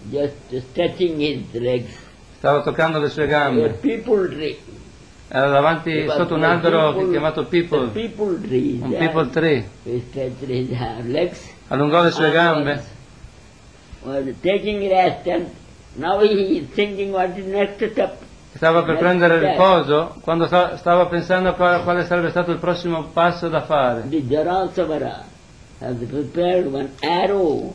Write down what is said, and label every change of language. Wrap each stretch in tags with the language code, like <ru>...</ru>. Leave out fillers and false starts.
<en>Just stretching his legs.</en> <it>Stava toccando le sue gambe.</it> <en>The people tree.</en> <it>Era davanti sotto un albero chiamato people.</it> <en>The people tree.</en> <it>Un people tree.</it> <en>He stretched his legs.</en> <it>Allungò le sue gambe.</it> <en>Was taking rest and now he is thinking what is next step.</en> <it>Stava per prendere riposo quando stava pensando a quale sarebbe stato il prossimo passo da fare.</it> <en>The Jarasavara has prepared one arrow.</en>